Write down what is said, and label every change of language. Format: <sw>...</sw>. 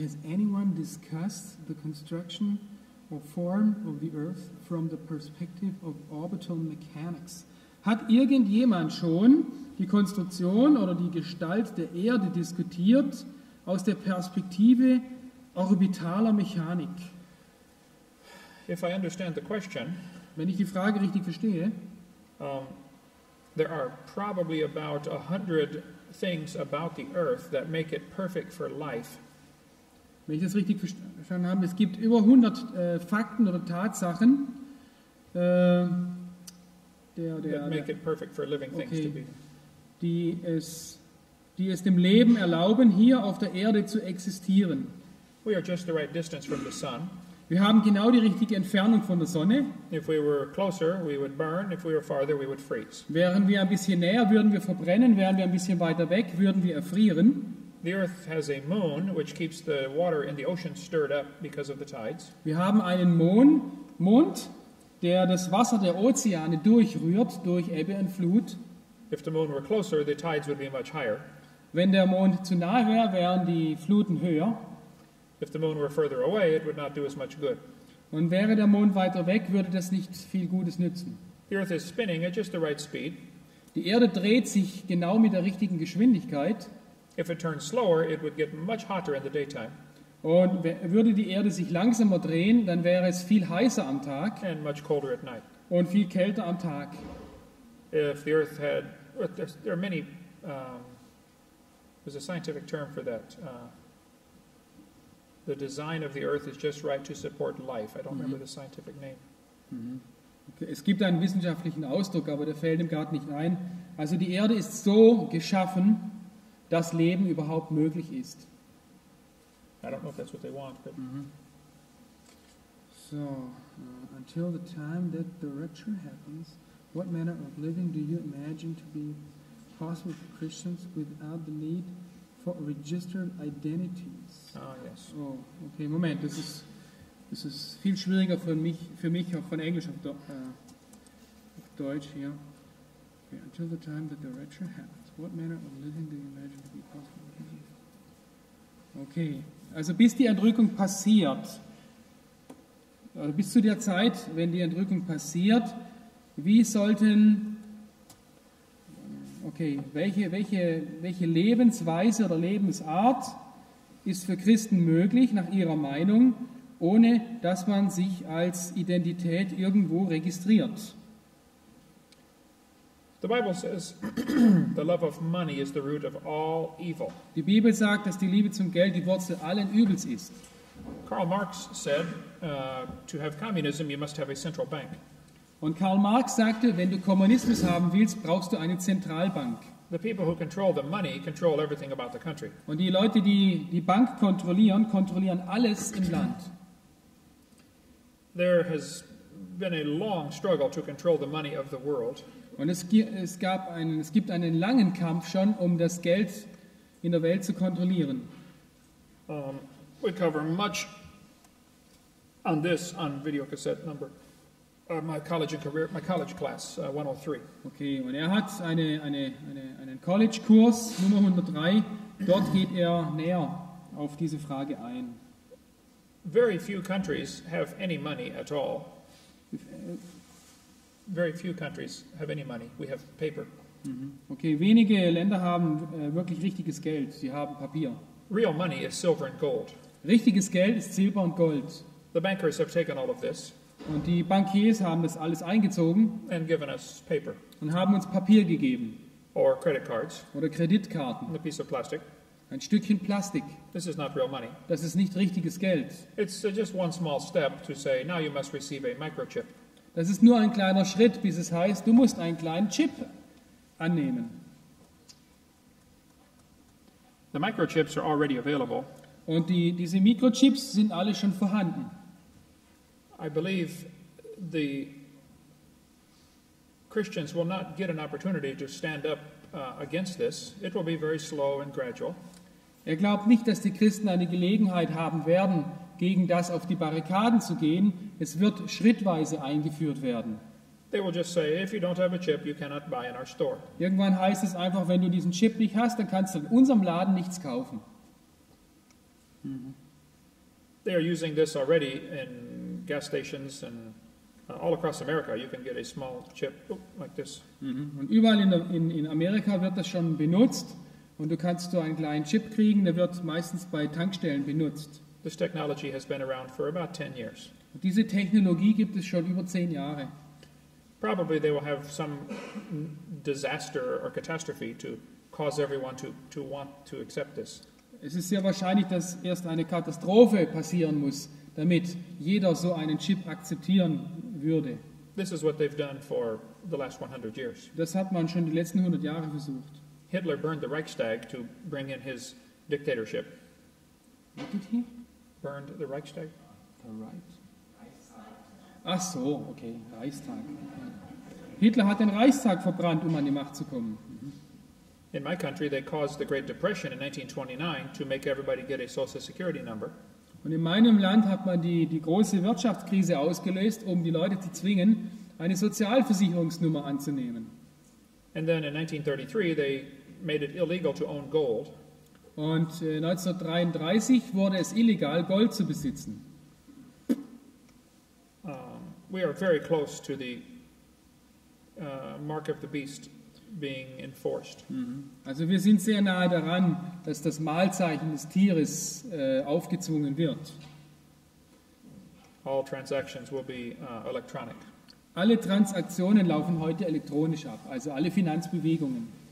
<en>Has anyone discussed the construction or form of the Earth from the perspective of orbital mechanics?</en> <de>Hat irgendjemand schon die Konstruktion oder die Gestalt der Erde diskutiert aus der Perspektive orbitaler Mechanik?</de> <en>If I understand the question,</en> <de>wenn ich die Frage richtig verstehe,</de> <en>there are probably about 100 things about the Earth that make it perfect for life.</en> <de>Wenn ich das richtig verstanden habe, es gibt über 100 Fakten oder Tatsachen,</de> <en>make it perfect for living things, okay, to be.</en> <de>Die es dem Leben erlauben, hier auf der Erde zu existieren.</de> <en>We are just the right distance from the sun.</en> <de>Wir haben genau die richtige Entfernung von der Sonne.</de> <en>If we were closer, we would burn. If we were farther, we would freeze.</en> <de>Wären wir ein bisschen näher, würden wir verbrennen. Wären wir ein bisschen weiter weg, würden wir erfrieren.</de> <en>The Earth has a moon, which keeps the water in the ocean stirred up because of the tides.</en> <de>Wir haben einen Mond, der das Wasser der Ozeane durchrührt durch Ebbe und Flut.</de> <en>If the moon were closer, the tides would be much higher.</en> <de>Wenn der Mond zu nah wäre, wären die Fluten höher.</de> <en>If the moon were further away, it would not do as much good.</en> <de>Und wäre der Mond weiter weg, würde das nicht viel Gutes nützen.</de> <en>The earth is spinning at just the right speed.</en> <de>Die Erde dreht sich genau mit der richtigen Geschwindigkeit.</de> <en>If it turned slower, it would get much hotter in the daytime.</en> <de>Und würde die Erde sich langsamer drehen, dann wäre es viel heißer am Tag.</de> <en>And much colder at night.</en> <de>Und viel kälter am Tag.</de> <en>If the earth had, there are many, there's a scientific term for that. The design of the earth is just right to support life. I don't remember the scientific name. Okay.</en> <de>Es gibt einen wissenschaftlichen Ausdruck, aber der fällt ihm gerade nicht ein. Also die Erde ist so geschaffen, dass Leben überhaupt möglich ist.</de> <en>I don't know if that's what they want, but... So, until the time that the rapture happens, what manner of living do you imagine to be possible for Christians without the need for registered identities? Ah, yes.</en> <de>Oh, okay, Moment, das ist viel schwieriger für mich, auch von Englisch auf Deutsch hier.</de> <en>Okay, until the time that the rapture happens, what manner of living do you imagine to be possible for Christians?</en> <de>Okay, also bis die Entrückung passiert, also bis zu der Zeit, wenn die Entrückung passiert, welche Lebensweise oder Lebensart ist für Christen möglich, nach ihrer Meinung, ohne dass man sich als Identität irgendwo registriert?</de> <en>The Bible says the love of money is the root of all evil.</en> <de>Die Bibel sagt, dass die Liebe zum Geld die Wurzel allen Übels ist.</de> <en>Karl Marx said, to have communism you must have a central bank.</en> <de>Und Karl Marx sagte, wenn du Kommunismus haben willst, brauchst du eine Zentralbank.</de> <en>The people who control the money control everything about the country.</en> <de>Und die Leute, die die Bank kontrollieren, kontrollieren alles im Land.</de> <en>There has been a long struggle to control the money of the world.</en> <de>Und es gibt einen langen Kampf schon, um das Geld in der Welt zu kontrollieren.</de> <en>We cover much on this on video cassette number my college class 103.</en> <de>Okay, und er hat einen College-Kurs Nummer 103. Dort geht er näher auf diese Frage ein.</de> <en>Very few countries have any money at all. Very few countries have any money. We have paper.</en> <de>Okay, wenige Länder haben wirklich richtiges Geld. Sie haben Papier.</de> <en>Real money is silver and gold.</en> <de>Richtiges Geld ist Silber und Gold.</de> <en>The bankers have taken all of this.</en> <de>Und die Bankiers haben das alles eingezogen.</de> <en>And given us paper.</en> <de>Und haben uns Papier gegeben.</de> <en>Or credit cards.</en> <de>Oder Kreditkarten.</de> <en>And a piece of plastic.</en> <de>Ein Stückchen Plastik.</de> <en>This is not real money.</en> <de>Das ist nicht richtiges Geld.</de> <en>It's just one small step to say now you must receive a microchip.</en> <de>Das ist nur ein kleiner Schritt, bis es heißt, du musst einen kleinen Chip annehmen.</de> <en>The microchips are already available.</en> <de>Und diese Mikrochips sind alle schon vorhanden.</de> <en>I believe the Christians will not get an opportunity to stand up against this. It will be very slow and gradual.</en> <de>Er glaubt nicht, dass die Christen eine Gelegenheit haben werden, gegen das auf die Barrikaden zu gehen. Es wird schrittweise eingeführt werden. Irgendwann heißt es einfach, wenn du diesen Chip nicht hast, dann kannst du in unserem Laden nichts kaufen.</de> <en>They are using this already in gas stations and all across America. You can get a small chip like this.</en> <de>Und überall in Amerika wird das schon benutzt. Und du kannst so einen kleinen Chip kriegen, der wird meistens bei Tankstellen benutzt.</de> <en>This technology has been around for about 10 years.</en> <de>Diese Technologie gibt es schon über 10 Jahre.</de> <en>Probably they will have some disaster or catastrophe to cause everyone to want to accept this.</en> <de>Es ist sehr wahrscheinlich, dass erst eine Katastrophe passieren muss, damit jeder so einen Chip akzeptieren würde.</de> <en>This is what they've done for the last 100 years.</en> <de>Das hat man schon die letzten 100 Jahre versucht.</de> <en>Hitler burned the Reichstag to bring in his dictatorship. What did he? Burned the Reichstag.</en> <de>The Reichstag. Ach so, okay, Reichstag. Hitler hat den Reichstag verbrannt, um an die Macht zu kommen.</de> <en>In my country, they caused the Great Depression in 1929 to make everybody get a Social Security number.</en> <de>Und in meinem Land hat man die große Wirtschaftskrise ausgelöst, um die Leute zu zwingen, eine Sozialversicherungsnummer anzunehmen.</de> <en>And then in 1933 they made it illegal to own gold.</en> <de>Und 1933 wurde es illegal, Gold zu besitzen.</de> <en>We are very close to the mark of the beast being enforced.</en> <de>Also wir sind sehr nahe daran, dass das Malzeichen des Tieres aufgezwungen wird.</de> <en>All transactions will be electronic.</en> <de>Alle Transaktionen laufen heute elektronisch ab, also alle Finanzbewegungen.</de>